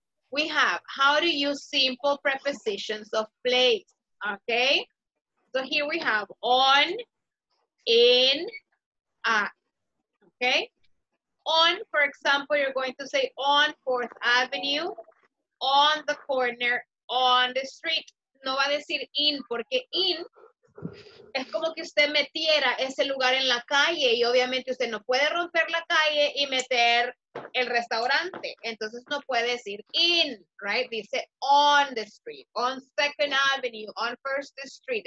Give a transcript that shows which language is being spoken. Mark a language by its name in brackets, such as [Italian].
[English] We have how to use simple prepositions of place, okay? So here we have on, in, at, okay? On, for example, you're going to say on 4th Avenue, on the corner, on the street. [Spanish] No va a decir in, porque in es como que usted metiera ese lugar en la calle y obviamente usted no puede romper la calle y meter el restaurante. Entonces no puede decir in, right? [English] Dice on the street, on Second Avenue, on First Street.